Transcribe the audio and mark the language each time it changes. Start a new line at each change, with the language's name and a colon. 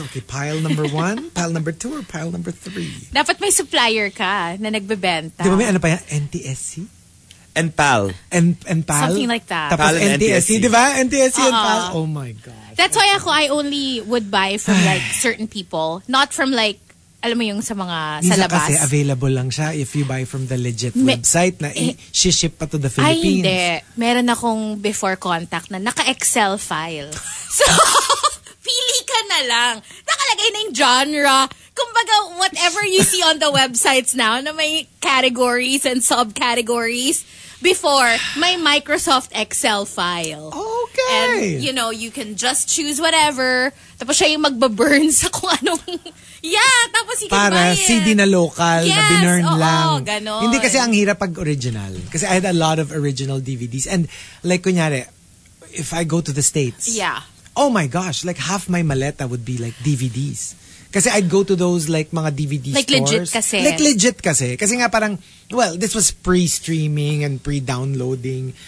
English: Okay, pile number one, pile number two, or pile number three.
Filipino: Dapat may supplier ka na nagbebenta. Di ba may ano pa yan? NTSC?
English: And PAL. And PAL? Something like that.
Filipino: Tapos
English: PAL and NTSC.
Filipino: Di ba?
English: NTSC and PAL. Oh my God. That's why
Filipino: ako,
English: I only would buy from like certain people. Not from like,
Filipino: alam mo yung sa mga sa labas. Kasi
English: available
Filipino: lang siya
English: if you buy from the legit website
Filipino: na i-ship pa
English: to the Philippines.
Filipino: Ay, hindi. Meron akong before contact na naka-Excel file. So, pili ka na lang. Nakalagay na yung genre. Kumbaga,
English: whatever you see on the websites now
Filipino: na may
English: categories and subcategories, before, may Microsoft Excel file. Okay. And, you know, you can just choose whatever.
Filipino: Tapos siya yung magbaburn sa kung anong...
English: Yeah,
Filipino: tapos
English: you
Filipino: para
English: can buy it.
Filipino: CD na local, yes, na binurn lang. Yes, ganon. Hindi kasi ang hirap pag original. Kasi
English: I had a lot of original DVDs. And like
Filipino: kunyari,
English: if I go to the States, yeah. Oh my gosh, like half my maleta would be like DVDs.
Filipino: Kasi
English: I'd go to those like
Filipino: mga
English: DVD like stores. Like legit
Filipino: kasi. Kasi nga parang,
English: well, this was pre-streaming and pre-downloading.